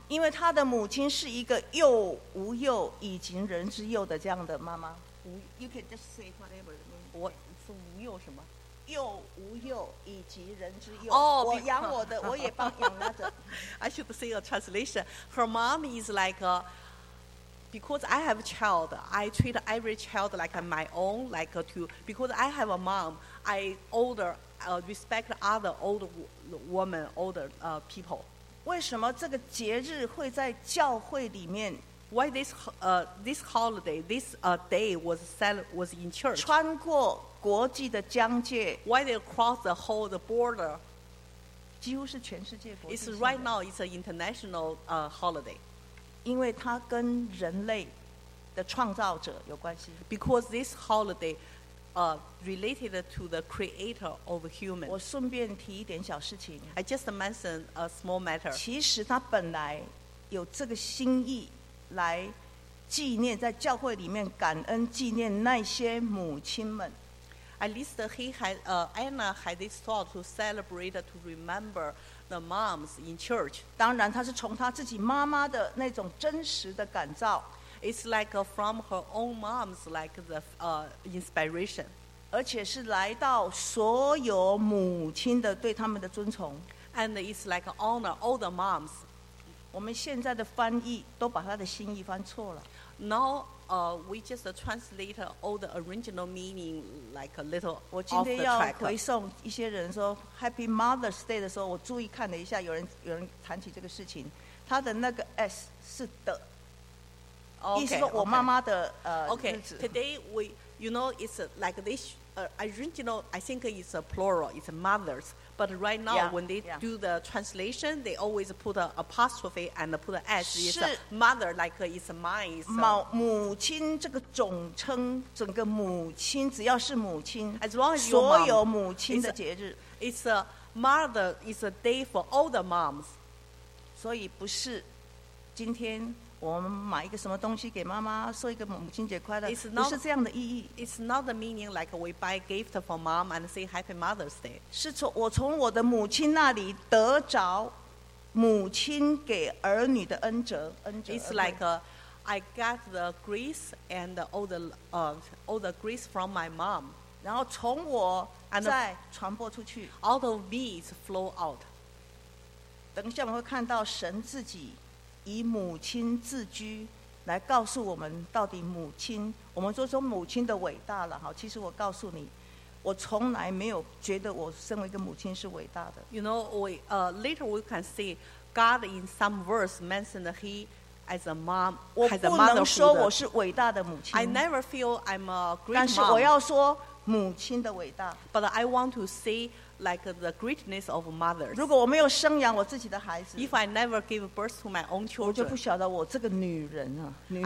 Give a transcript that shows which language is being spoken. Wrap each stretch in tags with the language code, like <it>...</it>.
<zh>因为他的母亲是一个又无幼以及人之幼的这样的妈妈。</zh> <en>You can just say whatever.</en> <zh>我是无幼什么？幼无幼以及人之幼、 oh, 我养我的我也帮养他的。</zh> <en>I should say a translation. Her mom is like a. Because I have a child, I treat every child like my own, like to, because I have a mom, I older, respect other old women, older people.</en> <zh>为什么这个节日会在教会里面</zh> <en>Why this, this holiday, this day was in church?</en> <zh>穿过国际的疆界</zh> <en>Why they cross the whole border?</en> <zh>几乎是全世界国际</zh> <en>性的 It's right now, it's an international holiday.</en> <zh>因为它跟人类的创造者有关系。</zh> <en>Because this holiday, related to the creator of human.</en> <zh>我顺便提一点小事情。</zh> <en>I just mentioned a small matter.</en> <zh>其实它本来有这个心意来纪念在教会里面感恩纪念那些母亲们。</zh> <en>At least he had, Anna had this thought to celebrate to remember. The moms in church.</en> <zh>当然，她是从她自己妈妈的那种真实的感召。</zh> <en>It's like from her own mom's like the inspiration.</en> <zh>而且是来到所有母亲的对他们的尊崇。</zh> <en>And it's like honor all the moms.</en> <zh>我们现在的翻译都把她的心意翻错了。</zh> <en>Now, we just translate all the original meaning like a little off the track.</en> <zh>我今天要回送一些人说</zh> <en>Happy Mother's Day</en> <zh>的时候，我注意看了一下，有人谈起这个事情，他的那个 S 是的， okay, 意思说我妈妈的 okay. Okay.</zh> <en>Today we, you know, it's like this. Original, I think it's a plural. It's a mothers. But right now, yeah, when they yeah. do the translation, they always put an apostrophe and put an S. It's a mother, like it's mine. So.</en> <zh>母亲这个总称，整个母亲，只要是母亲，</zh> <en>as long as</en> <zh>所有母亲的节日</zh> <en>it's a mother. It's a day for all the moms.</en> <zh>所以不是今天我们买一个什么东西给妈妈，送一个母亲节快乐，不是这样的意义。</zh> <en>It's not the meaning like we buy gift for mom and say Happy Mother's Day.</en> <zh>是从我从我的母亲那里得着母亲给儿女的恩泽。</zh> <en>It's like I got the grace and all the grace from my mom.</en> <zh>然后从我再传播出去。</zh> <en>Out of me is flow out.</en> <zh>等一下我们会看到神自己。以母亲自居来告诉我们到底母亲，我们说说母亲的伟大了哈。其实我告诉你，我从来没有觉得我身为一个母亲是伟大的。</zh> <en>You know, later we can see God in some verse mentioned he as a mom.</en> <zh>我不能说我是伟大的母亲。</zh> <en>I never feel I'm a great mom.</en> <zh>但是我要说母亲的伟大。</zh> <en>But I want to say. Like the greatness of mothers.</en> <zh>如果我没有生养我自己的孩子</zh> <en>，If I never give birth to my own children,</en> <zh>我就不晓得我这个女人啊，女人。</zh>